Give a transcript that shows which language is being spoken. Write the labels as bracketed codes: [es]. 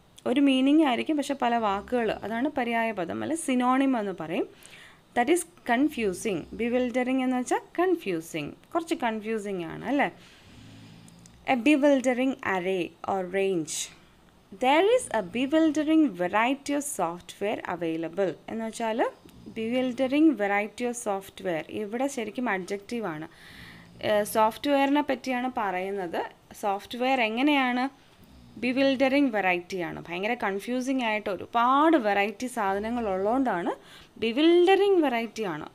[ml] ഒരു മീനിങ് ആയിരിക്കും, പക്ഷെ പല വാക്കുകൾ, അതാണ് പര്യായ പദം അല്ലെ, സിനോണിം എന്ന് പറയും. [en] That is confusing. [ml] ബിവിൽഡറിങ് എന്ന് വെച്ചാൽ കൺഫ്യൂസിങ്, കുറച്ച് കൺഫ്യൂസിങ് ആണ് അല്ലേ. [en] A bewildering array or range. There is a bewildering variety of software available. [ml] എന്ന് വെച്ചാൽ [en] bewildering variety of software, [ml] ഇവിടെ ശരിക്കും അഡ്ജക്റ്റീവ് ആണ്. സോഫ്റ്റ്വെയറിനെ പറ്റിയാണ് പറയുന്നത്. സോഫ്റ്റ്വെയർ എങ്ങനെയാണ്, [en] bewildering variety [ml] ആണ്, ഭയങ്കര കൺഫ്യൂസിങ് ആയിട്ട് ഒരുപാട് വെറൈറ്റി സാധനങ്ങൾ ഉള്ളതുകൊണ്ടാണ് bewildering variety ആണ്.